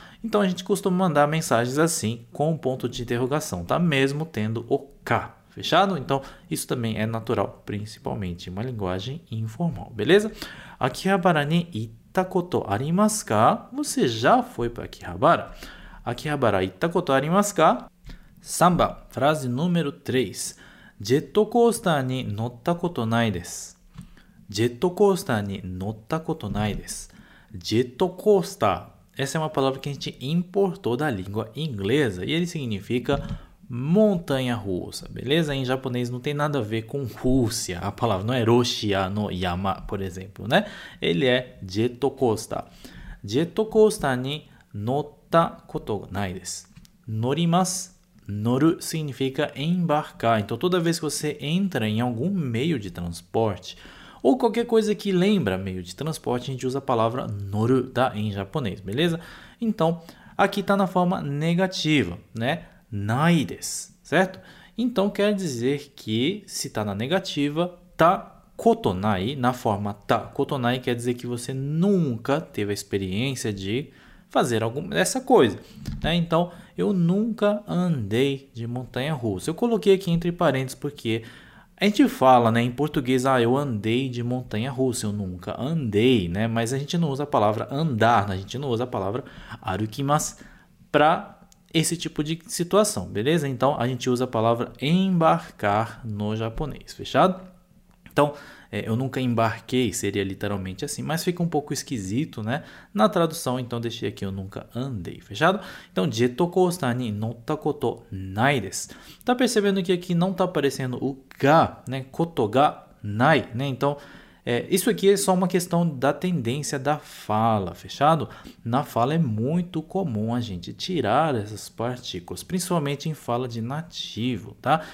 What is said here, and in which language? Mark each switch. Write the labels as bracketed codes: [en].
[pt] Então, a gente costuma mandar mensagens assim, com um ponto de interrogação, tá? Mesmo tendo o ka. Fechado? Então, isso também é natural, principalmente em uma linguagem informal, beleza? [ja] Akihabara ni itta koto arimasu ka? [pt] Você já foi para Akihabara? [ja] Akihabara itta koto arimasu ka? Samba, [pt] frase número 3. [ja] ジェットコースターに乗ったことないです。ジェットコースターに乗ったことないです。ジェットコースター。 [pt] Essa é uma palavra que a gente importou da língua inglesa e ele significa montanha-russa, beleza? Em japonês não tem nada a ver com Rússia. A palavra não é [ja] Roshia no Yama, [pt] por exemplo, né? [ja] Ele é ジェットコースター。ジェットコースターに乗ったことないです。乗ります。 [pt] 乗る significa embarcar. Então, toda vez que você entra em algum meio de transporte ou qualquer coisa que lembra meio de transporte, a gente usa a palavra 乗る, tá? Em japonês, beleza? Então, aqui está na forma negativa, né? ないです、certo? Então quer dizer que se está na negativa, [ja] たことない、 [pt] na forma たことない quer dizer que você nunca teve a experiência de fazer alguma dessa coisa, né? Então eu nunca andei de montanha-russa. Eu coloquei aqui entre parênteses porque a gente fala, né, em português, ah, eu andei de montanha-russa, eu nunca andei, né? Mas a gente não usa a palavra andar, a gente não usa a palavra arukimasu para esse tipo de situação, beleza? Então a gente usa a palavra embarcar no japonês, fechado? Então, eu nunca embarquei, seria literalmente assim, mas fica um pouco esquisito, né? Na tradução, então deixei aqui, eu nunca andei, fechado? [ja] Então, ジェットコースターに乗ったことないです。 [pt] Tá percebendo que aqui não tá aparecendo o ga, né? [ja] Koto ga nai, [pt] né? Então, É, isso aqui é só uma questão da tendência da fala, fechado? Na fala é muito comum a gente tirar essas partículas, principalmente em fala de nativo, tá?